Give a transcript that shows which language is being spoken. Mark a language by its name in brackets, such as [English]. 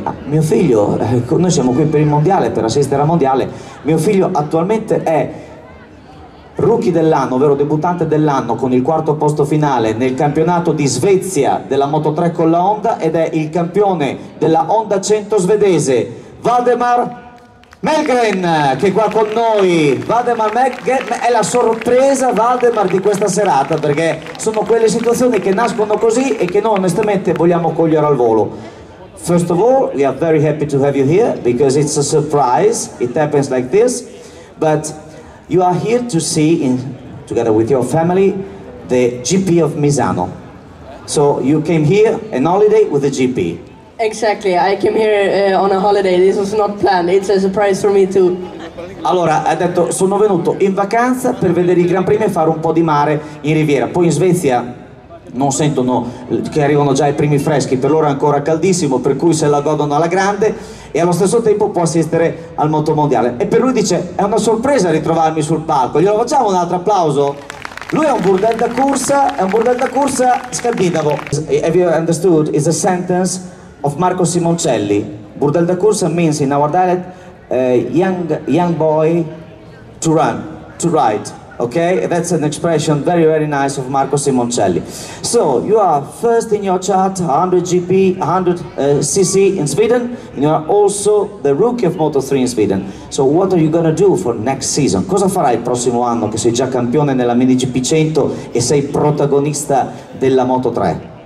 [Italian] Ah, mio figlio, noi siamo qui per il mondiale, per assistere al mondiale, mio figlio attualmente è rookie dell'anno, ovvero debuttante dell'anno, con il quarto posto finale nel campionato di Svezia della Moto3 con la Honda, ed è il campione della Honda 100 svedese, Valdemar Melgren, che è qua con noi. Valdemar Melgren è la sorpresa, Valdemar, di questa serata, perché sono quelle situazioni che nascono così e che noi onestamente vogliamo cogliere al volo. [English] First of all, we are very happy to have you here because it's a surprise, it happens like this, but you are here to see, in, together with your family, the GP of Misano. So you came here on holiday with the GP. Exactly, I came here on a holiday. This was not planned. It's a surprise for me too. [Italian] Allora, ha detto, sono venuto in vacanza per vedere il Gran Premio e fare un po' di mare in Riviera. Poi in Svezia non sentono che arrivano già i primi freschi, per loro è ancora caldissimo, per cui se la godono alla grande, e allo stesso tempo può assistere al moto mondiale. E per lui dice, è una sorpresa ritrovarmi sul palco, glielo facciamo un altro applauso? Lui è un burdel da corsa scandinavo. [English] Have you understood? It's a sentence of Marco Simoncelli. Burdel da corsa means in our dialect, young boy to run, to ride. Okay, that's an expression very, very nice of Marco Simoncelli. So, you are first in your chart, 100 GP, 100 CC in Sweden, and you are also the rookie of Moto3 in Sweden. So, what are you going to do for next season? [Italian] Cosa farai il prossimo anno che sei già campione nella Mini GP 100 e sei protagonista della Moto3?